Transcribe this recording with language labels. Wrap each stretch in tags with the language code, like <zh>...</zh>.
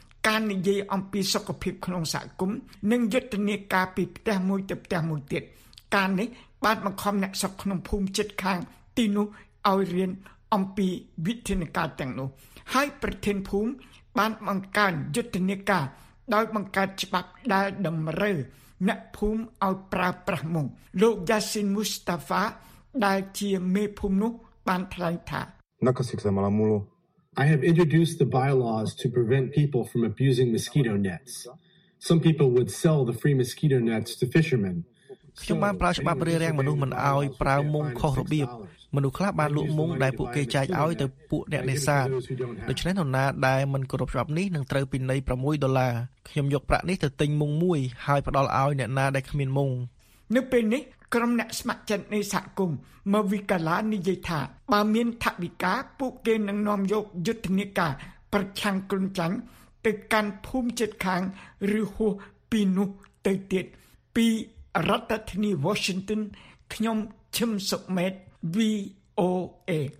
<km>ការនិយាយអំពីសុខភាពក្នុងសហគមន៍និងយុទ្ធនាការពីផ្ទះមួយទៅផ្ទះមួយទៀតការនេះបានបង្ខំអ្នកស្រុកក្នុងភូមិជិតខាងទីនោះឲ្យរៀនអំពីវិធានការទាំងនោះហើយប្រធានភូមិបានបង្កើនយុទ្ធនាការដោយបង្កើតច្បាប់ដែលតម្រូវអ្នកភូមិឲ្យប្រើប្រាស់មុងលោកយ៉ាស៊ីនមូស្តាហ្វាដែលជាមេភូមិនោះបានថ្លែងថា</km> <en>I have introduced the bylaws to prevent people from abusing mosquito nets. Some people would sell the free mosquito nets to fishermen.</en> <km>ខ្ញុំបានប្រើច្បាប់រារាំងមនុស្សមិនអោយប្រើមុងខុសរបៀបមនុស្សខ្លះបានលក់មុងដែលពួកគេចែកឲ្យទៅពួកអ្នកនេសាទដូច្នេះនរណាដែលមិនគោរពច្បាប់នេះនឹងត្រូវពិន័យ$6ខ្ញុំយកប្រាក់នេះទៅទិញមុងមួយហើយផ្ដល់ឲ្យអ្នកណាដែលគ្មានមុង នៅពេលនេះក្រុមអ្នកស្ម័គ្រចិត្តនៃសហគមន៍មកវិកាឡានិយាយថាបើមានថវិកាពួកគេនឹងនាំយកយុទ្ធនាការប្រឆាំងគ្រុនចាញ់ទៅកាន់ភូមិជិតខាងឬហួសពីនោះទៅទៀតពីរដ្ឋធានី Washington ខ្ញុំឈឹមសុខមេត VOA</km>